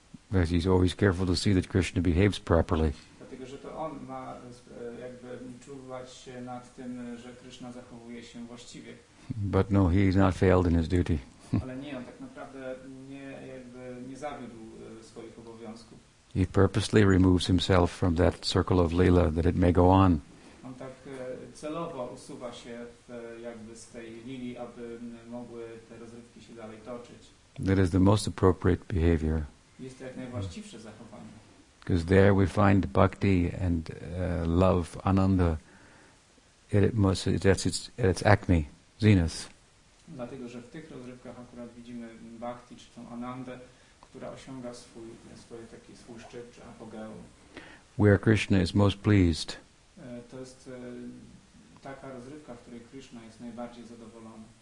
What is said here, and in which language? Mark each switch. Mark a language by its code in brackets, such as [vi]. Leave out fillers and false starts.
[en] But he's always careful to see that Krishna behaves properly. [pl] Dlatego, że to on ma jakby czuwać się nad tym, że Krishna zachowuje się właściwie. [en] But no, he has not failed in his duty. [pl] Ale nie, on tak naprawdę nie zawiódł swoich obowiązków. [en] He purposely removes himself from that circle of lila that it may go on. [pl] On tak celowo usuwa się jakby z tej lili, aby mogły te rozrywki się dalej toczyć. [en] That is the most appropriate behavior. [pl] Jest to jak najwłaściwsze zachowanie. [en] Because there we find bhakti and love, ananda, it's acme, zenith. [pl] Dlatego, że w tych rozrywkach akurat widzimy bhakti, czy tą anandę, która osiąga swój szczyt, czy apogeum. [en] Where Krishna is most pleased. [pl] To jest taka rozrywka, w której Krishna jest najbardziej zadowolony.